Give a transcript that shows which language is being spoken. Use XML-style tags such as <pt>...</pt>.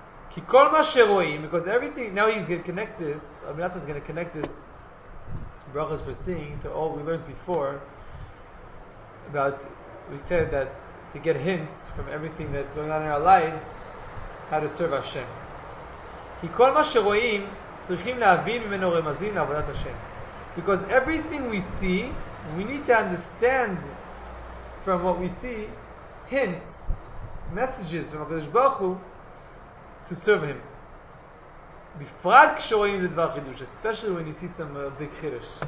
<he>Ki kol ma sheroim,</he> <en>because everything, now he's going to connect this, Abinatan's going to connect this brachas for seeing to all we learned before about, we said that to get hints from everything that's going on in our lives, how to serve Hashem.</en> <he>Ki kol ma sheroim, צריכים להבין ממנו רמזים לעבודת השם.</he> <en>Because everything we see, we need to understand from what we see, hints, messages from HaKadosh Baruch Hu to serve Him.</en> <he>בפרט כשרואים זה דבר חידוש,</he> <en>especially when you see some big חידוש.</en>